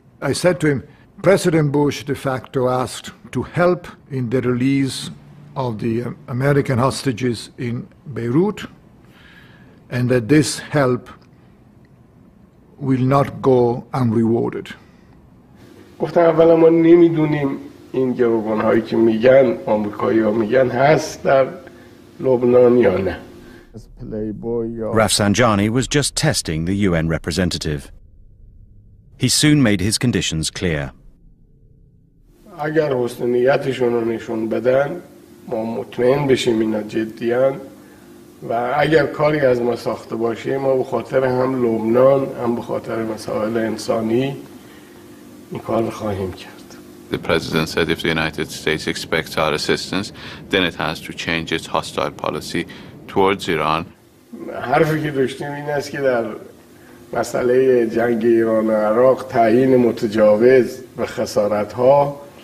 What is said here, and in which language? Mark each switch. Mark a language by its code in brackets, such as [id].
[en] I said to him, President Bush de facto asked to help in the release of the American hostages in Beirut, and that this help will not go unrewarded. [fa] گفتم اولا ما نمیدونیم این گروگان‌هایی که میگن آمریکایی‌ها میگن هست در لبنان یا نه. [en] Rafsanjani was just testing the UN representative. He soon made his conditions clear. [fa] اگر حسن نیتشون رو نشون بدن ما مطمئن بشیم اینا جدیان و اگر کاری از ما ساخته باشه ما به خاطر هم لبنان هم به خاطر مسائل انسانی این کار رو خواهیم کرد. [en] The president said if the United States expects our assistance then it has to change its hostile policy towards Iran. [fa] حرفی که داشتیم این است که در مسئله جنگ ایران و عراق تعیین متجاوز و خسارت ها